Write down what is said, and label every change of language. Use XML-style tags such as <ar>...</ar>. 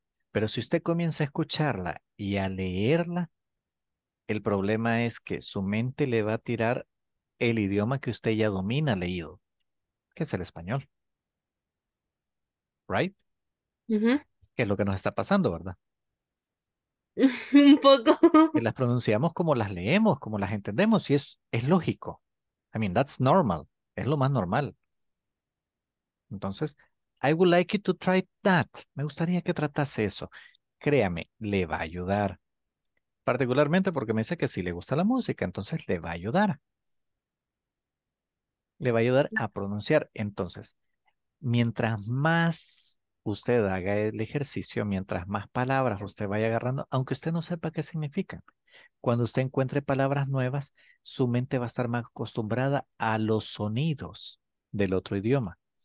<es>Pero si usted comienza a escucharla y a leerla, el problema es que su mente le va a tirar el idioma que usted ya domina leído, que es el español.</es> <en>¿Right? Uh-huh.</en> <es>Que es lo que nos está pasando, ¿verdad? Un poco. Que las pronunciamos como las leemos, como las entendemos, y es lógico.</es> <en>I mean, that's normal.</en> <es>Es lo más normal. Entonces,</es> <en>I would like you to try that.</en> <es>Me gustaría que tratase eso. Créame, le va a ayudar. Particularmente porque me dice que sí le gusta la música, entonces le va a ayudar. Le va a ayudar a pronunciar. Entonces, mientras más usted haga el ejercicio, mientras más palabras usted vaya agarrando, aunque usted no sepa qué significan, cuando usted encuentre palabras nuevas, su mente va a estar más acostumbrada a los sonidos del otro idioma.</es>